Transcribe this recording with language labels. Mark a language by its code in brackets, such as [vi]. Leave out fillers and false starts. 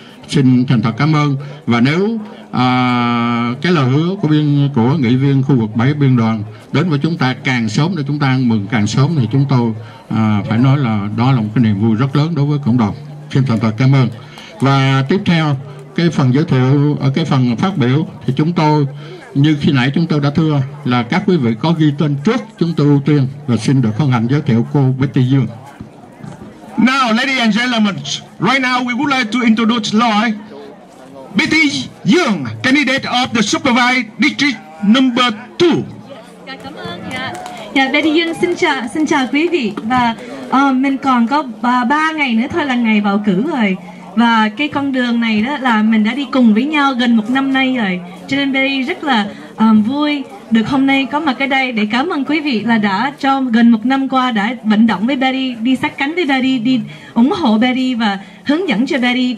[vi] Xin thành thật cảm ơn. Và nếu cái lời hứa của nghị viên khu vực 7 Biên Đoàn đến với chúng ta càng sớm để chúng ta ăn mừng càng sớm thì chúng tôi phải nói là đó là một cái niềm vui rất lớn đối với cộng đồng. Xin thành thật cảm ơn. Và tiếp theo cái phần giới thiệu, ở cái phần phát biểu thì chúng tôi như khi nãy chúng tôi đã thưa là các quý vị có ghi tên trước, chúng tôi ưu tiên và xin được hân hạnh giới thiệu cô Betty Dương. [en] Now, ladies and gentlemen, right now we would like to introduce Lord Betty Dương, candidate of the Supervised District number 2. [vi] Cảm ơn. Dạ, Betty Dương xin chào quý vị. Và mình còn có 3 ngày nữa thôi là ngày bầu cử rồi. Và cái con đường này đó là mình đã đi cùng với nhau gần một năm nay rồi. Cho nên Betty rất là vui được hôm nay có mặt ở đây để cảm ơn quý vị là đã trong gần một năm qua đã vận động với Betty, đi sát cánh với Betty, đi ủng hộ Betty và hướng dẫn cho Betty.